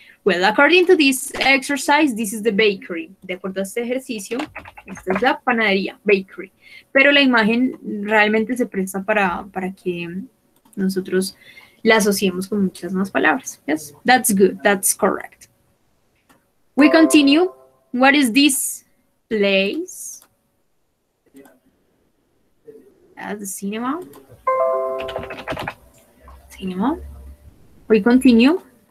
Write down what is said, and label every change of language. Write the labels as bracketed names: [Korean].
[English] Well, according to this exercise, this is the bakery. [Spanish] De acuerdo a este ejercicio, esta es la panadería, bakery. Pero la imagen realmente se presta para que nosotros la asociemos con muchas más palabras. [English] Yes, that's good, that's correct. We continue. What is this place. At the cinema. Cinema. We continue.